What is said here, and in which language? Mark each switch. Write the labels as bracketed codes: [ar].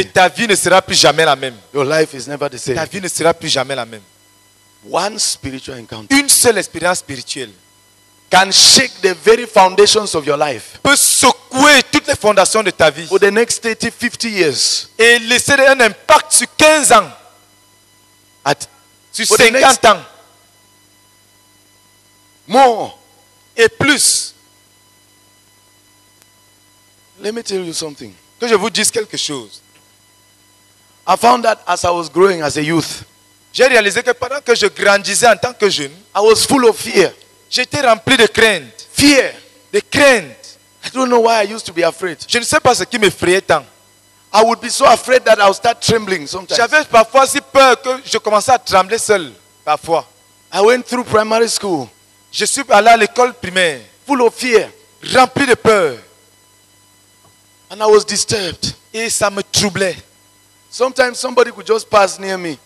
[fr] Et ta vie ne sera plus jamais la même. [en] Your life is never the same. [fr] Ta vie ne sera plus jamais la même. [en] One spiritual encounter. [fr] Une seule expérience spirituelle [en] can shake the very foundations of your life. [fr] Peut secouer toutes les fondations de ta vie. [en] For the next 30, 50 years. [fr] Et laisser un impact sur 15 ans. Sur 50 ans. [en] More [fr] et plus. [en] Let me tell you something. [fr] Que je vous dise quelque chose. [en] I found that as I was growing as a youth. [fr] J'ai réalisé que pendant que je grandissais en tant que jeune, [en] I was full of fear. [fr] J'étais rempli de crainte. [en] Fear, [fr] de crainte. [en] I don't know why I used to be afraid. [fr] Je ne sais pas ce qui m'effrayait tant. [en] I would be so afraid that I would start trembling sometimes. [fr] J'avais parfois si peur que je commençais à trembler seul parfois. [en] I went through primary school. [fr] Je suis allé à l'école primaire. [en] Full of fear. [fr] Rempli de peur. [en] And I was disturbed. [fr] Et ça me troublait. [en] Sometimes somebody could just pass near me.